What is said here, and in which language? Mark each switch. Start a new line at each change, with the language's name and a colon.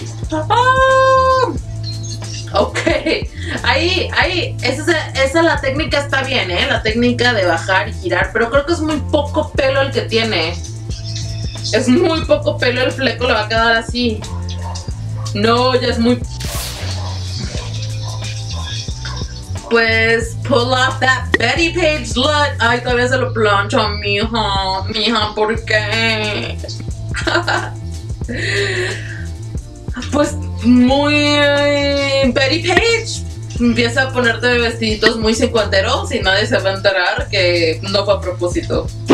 Spanish: Oh, ok. Ahí. Esa la técnica está bien, ¿eh? La técnica de bajar y girar. Pero creo que es muy poco pelo el que tiene. Es muy poco pelo. El fleco le va a quedar así. No, ya es muy...
English: Pues, pull off that Betty Page look.
Spanish: Ay, todavía se lo plancho, mija. Mija, ¿por qué? Pues, muy Betty Page. Empieza a ponerte vestiditos muy cincuenteros y nadie se va a enterar que no fue a propósito.